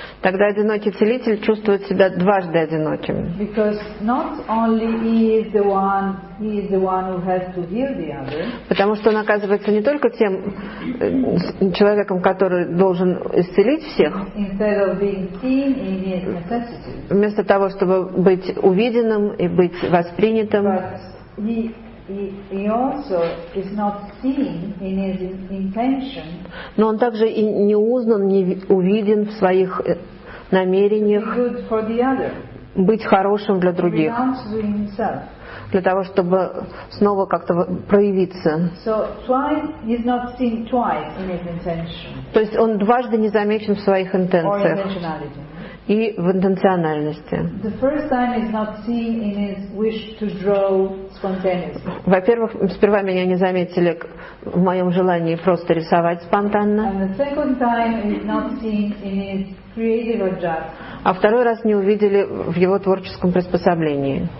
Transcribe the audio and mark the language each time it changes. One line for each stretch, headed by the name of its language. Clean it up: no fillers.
Russian: Тогда одинокий целитель чувствует себя дважды одиноким.
English: Because not only he is the one who has to heal the other.
Russian: Потому что он оказывается не только тем человеком, который должен исцелить всех.
English: Instead of being seen in his necessity.
Russian: Вместо того, чтобы быть увиденным и быть воспринятым.
English: He also is not seen in his intention.
Russian: Но он также и не узнан, не увиден в своих намерениях быть хорошим для других, для того, чтобы снова как-то проявиться.
English: So twice he's not seen twice in his intention.
Russian: То есть он дважды не замечен в своих интенциях и в интенциональности.
English: The first time is not seen in his wish to draw spontaneously.
Russian: Во-первых, сперва меня не заметили в моем желании просто рисовать спонтанно.
English: And the second time is not seen in his creative adjust.
Russian: А второй раз не увидели в его творческом приспособлении.